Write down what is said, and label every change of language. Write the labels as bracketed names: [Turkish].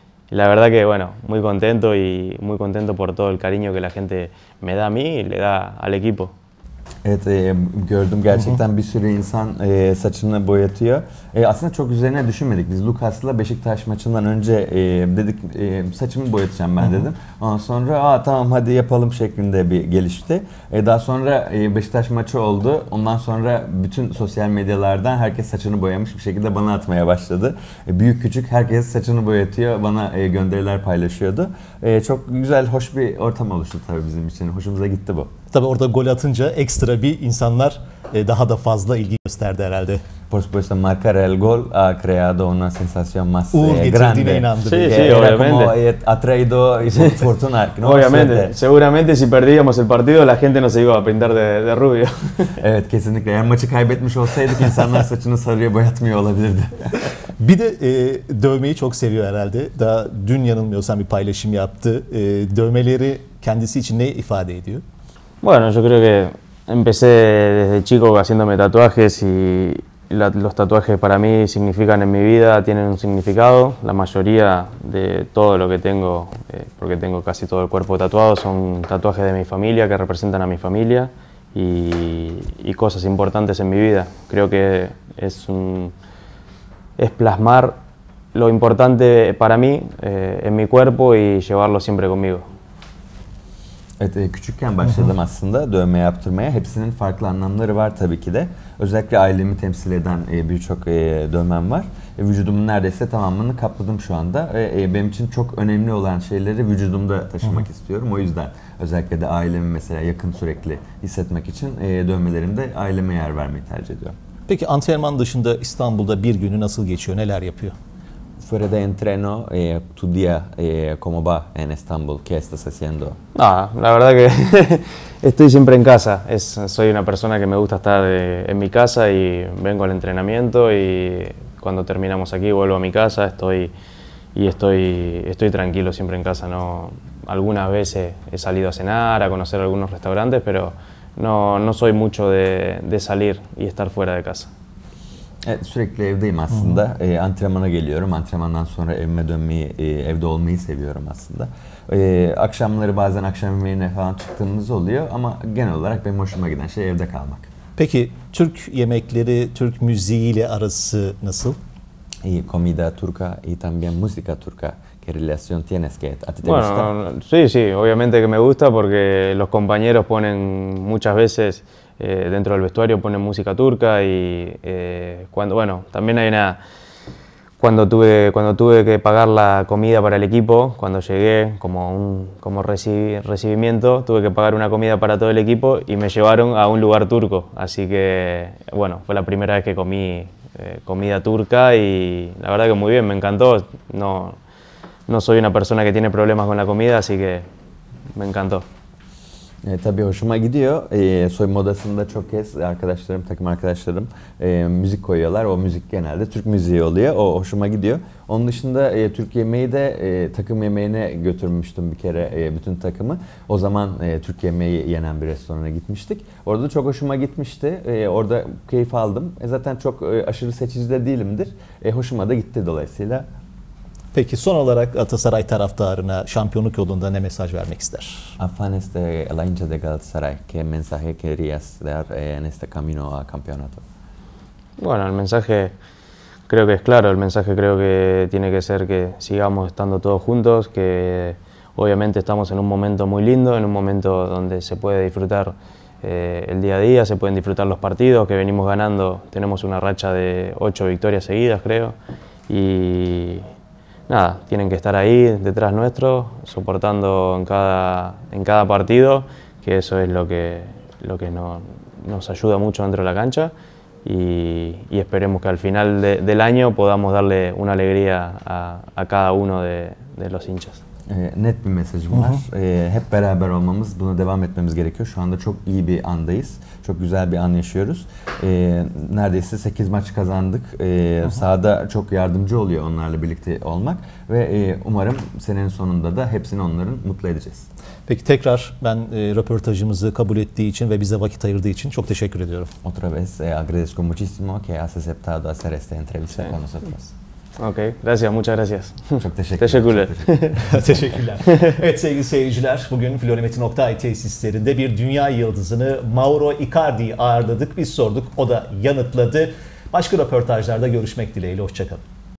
[Spanish] La verdad que, bueno, muy contento y muy contento por todo el cariño que la gente me da a mí y le da al equipo. [Turkish] Evet, gördüm gerçekten bir sürü insan saçını boyatıyor. Aslında çok üzerine düşünmedik. Biz Lucas'la Beşiktaş maçından önce dedik saçımı boyatacağım ben dedim. Ondan sonra tamam hadi yapalım şeklinde bir gelişti. Daha sonra Beşiktaş maçı oldu. Ondan sonra bütün sosyal medyalardan herkes saçını boyamış bir şekilde bana atmaya başladı. Büyük küçük herkes saçını boyatıyor, bana gönderiler paylaşıyordu. Çok güzel, hoş bir ortam oluştu tabii bizim için. Hoşumuza gitti bu. Tabii orada gol atınca ekstra bir insanlar daha da fazla ilgi gösterdi herhalde. [Spanish] Por supuesto, marcar el gol ha creado una sensación más grande. Sí, obviamente. Ha traído fortuna. Obviamente. Seguramente si perdíamos el partido la gente no se iba a pintar de rubio. [Turkish] Evet, kesinlikle. Eğer maçı kaybetmiş olsaydık insanlar saçını sarıya boyatmıyor olabilirdi. Bir de dövmeyi çok seviyor herhalde. Daha dün yanılmıyorsam bir paylaşım yaptı. Dövmeleri kendisi için ne ifade ediyor? [Spanish] Bueno, yo creo que empecé desde chico haciéndome tatuajes y los tatuajes para mí significan en mi vida, tienen un significado. La mayoría de todo lo que tengo, porque tengo casi todo el cuerpo tatuado, son tatuajes de mi familia que representan a mi familia y cosas importantes en mi vida. Creo que es plasmar lo importante para mí en mi cuerpo y llevarlo siempre conmigo. [Turkish] Evet, küçükken başladım aslında dövme yaptırmaya. Hepsinin farklı anlamları var tabii ki de. Özellikle ailemi temsil eden birçok dövmem var. Vücudumun neredeyse tamamını kapladım şu anda. Benim için çok önemli olan şeyleri vücudumda taşımak istiyorum. O yüzden özellikle de ailemi mesela yakın sürekli hissetmek için dövmelerimde aileme yer vermeyi tercih ediyorum. Peki antrenman dışında İstanbul'da bir günü nasıl geçiyor? Neler yapıyor? [Spanish] Fuera de entreno, tu día, ¿cómo va en Estambul? ¿Qué estás haciendo? Nada, la verdad que estoy siempre en casa. Soy una persona que me gusta estar en mi casa y vengo al entrenamiento y cuando terminamos aquí vuelvo a mi casa. Estoy tranquilo siempre en casa. No, algunas veces he salido a cenar, a conocer algunos restaurantes, pero no soy mucho de salir y estar fuera de casa. [Turkish] Evet, sürekli evdeyim aslında. Antrenmana geliyorum. Antrenmandan sonra evime dönmeyi, evde olmayı seviyorum aslında. Akşamları bazen akşam yemeğine falan çıktığımız oluyor ama genel olarak benim hoşuma giden şey evde kalmak. Peki Türk yemekleri, Türk müziği ile arası nasıl? [Spanish] İyi, comida turca y también música turca. ¿Qué relación tienes que a ti te gusta? Sí, sí, obviamente que me gusta porque los compañeros ponen muchas veces dentro del vestuario ponen música turca y cuando tuve que pagar la comida para el equipo, cuando llegué como recibimiento, tuve que pagar una comida para todo el equipo y me llevaron a un lugar turco, así que bueno, fue la primera vez que comí comida turca y la verdad que muy bien, me encantó. No soy una persona que tiene problemas con la comida, así que me encantó. [Turkish] Tabii hoşuma gidiyor. Soy modasında çok kez arkadaşlarım, takım arkadaşlarım müzik koyuyorlar. O müzik genelde Türk müziği oluyor. O hoşuma gidiyor. Onun dışında Türk yemeği de takım yemeğine götürmüştüm bir kere bütün takımı. O zaman Türk yemeği yenen bir restorana gitmiştik. Orada çok hoşuma gitmişti. Orada keyif aldım. Zaten çok aşırı seçici de değilimdir. Hoşuma da gitti dolayısıyla. Peki son olarak Galatasaray taraftarına şampiyonluk yolunda ne mesaj vermek ister? [Spanish] Afanes de la hincha de Galatasaray, ¿qué mensaje querías dar en este camino a campeonato? Bueno, el mensaje creo que es claro, el mensaje creo que tiene que ser que sigamos estando todos juntos, que obviamente estamos en un momento muy lindo, en un momento donde se puede disfrutar el día a día, se pueden disfrutar los partidos que venimos ganando, tenemos una racha de 8 victorias seguidas, creo, y nada, tienen que estar ahí detrás nuestro, soportando en cada partido, que eso es lo que nos ayuda mucho dentro de la cancha y esperemos que al final del año podamos darle una alegría a cada uno de los hinchas. [Turkish] Net bir mesajım var. Hep beraber olmamız, buna devam etmemiz gerekiyor. Şu anda çok iyi bir andayız. Çok güzel bir an yaşıyoruz. Neredeyse 8 maç kazandık. Sahada çok yardımcı oluyor onlarla birlikte olmak. Ve umarım senenin sonunda da hepsini onların mutlu edeceğiz. Peki tekrar ben röportajımızı kabul ettiği için ve bize vakit ayırdığı için çok teşekkür ediyorum. [Spanish] Otra vez agradezco muchísimo que has aceptado hacer esta entrevista con nosotros. Okay, gracias, muchas gracias. [Turkish] Çok teşekkürler. Teşekkürler. Evet sevgili seyirciler, bugün Florimetin.it tesislerinde bir dünya yıldızını Mauro Icardi'yi ağırladık. Biz sorduk, o da yanıtladı. Başka röportajlarda görüşmek dileğiyle, hoşçakalın.